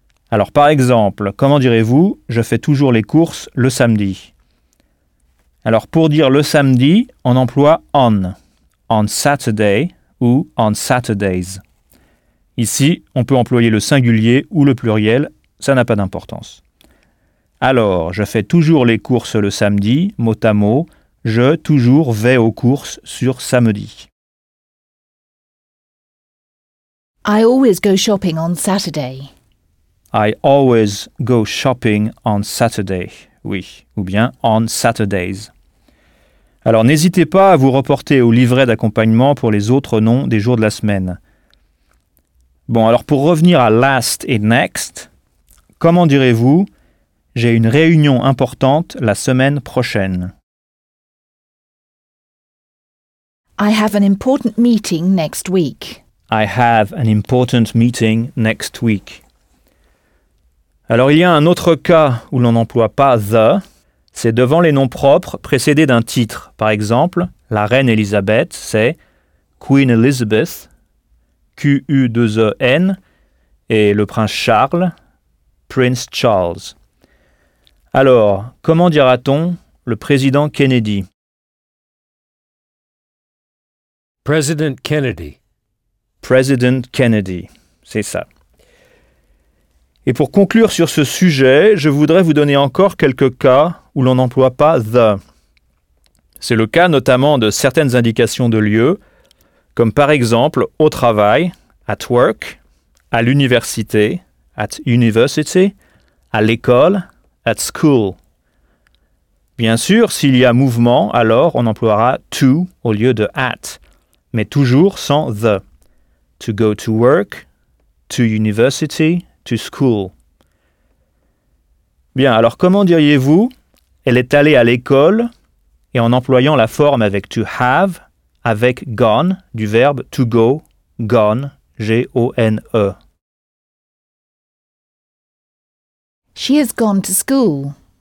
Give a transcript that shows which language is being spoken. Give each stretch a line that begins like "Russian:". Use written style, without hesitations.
French: Alors par exemple, comment direz-vous « je fais toujours les courses le samedi » Alors pour dire le samedi, on emploie on,
English: on Saturday ou on Saturdays.
French: Ici, on peut employer le singulier ou le pluriel, ça n'a pas d'importance. Alors, je fais toujours les courses le samedi, mot à mot, je toujours vais aux courses sur samedi.
English: I always go shopping on Saturday. I always go shopping on Saturday,
French: oui, ou bien
English: on Saturdays.
French: Alors n'hésitez pas à vous reporter au livret d'accompagnement pour les autres noms des jours de la semaine. Bon, alors pour revenir à last et next, comment direz-vous « j'ai une réunion importante la semaine prochaine »
English: I have an important meeting next week. I have an important meeting next week.
French: Alors il y a un autre cas où l'on n'emploie pas « the », c'est devant les noms propres précédés d'un titre. Par exemple, la reine Elizabeth, c'est « Queen Elizabeth », Q-U-2-E-N, et le prince Charles, Prince Charles. Alors, comment dira-t-on le président Kennedy?
English: President Kennedy. President Kennedy, c'est ça.
French: Et pour conclure sur ce sujet, je voudrais vous donner encore quelques cas où l'on n'emploie pas « the ». C'est le cas notamment de certaines indications de lieu, comme par exemple « au travail »,
English: at work,
French: à l'université,
English: at university,
French: à l'école,
English: at school.
French: Bien sûr, s'il y a mouvement, alors on emploiera to au lieu de at, mais toujours sans the.
English: To go to work, to university, to school.
French: Bien, alors comment diriez-vous « elle est allée à l'école » et en employant la forme avec to have, avec gone, du verbe to go, gone, G-O-N-E.
English: She has gone to school.